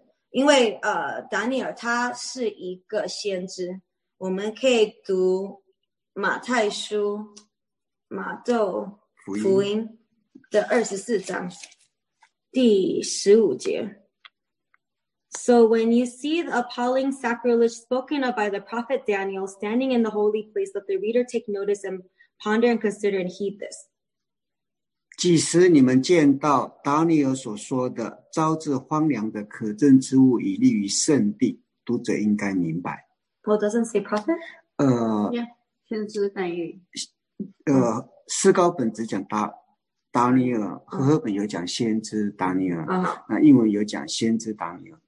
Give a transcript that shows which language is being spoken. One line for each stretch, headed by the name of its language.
Chinese: 因为达尼尔他是一个先知，我们可以读马太书马窦福音的24章第15节。
English: So when you see the appalling sacrilege spoken of by the prophet Daniel standing in the holy place, let the reader take notice and ponder and consider and heed this.
Chinese: 即使你们见到达尼尔所说的招致荒凉的可憎之物以立于圣地，读者应该明白。
English: Well, doesn't say prophet?
Chinese: Yeah, 先知但以理。诗高本只讲达尼尔，和合本有讲先知达尼尔，那英文有讲先知达尼尔。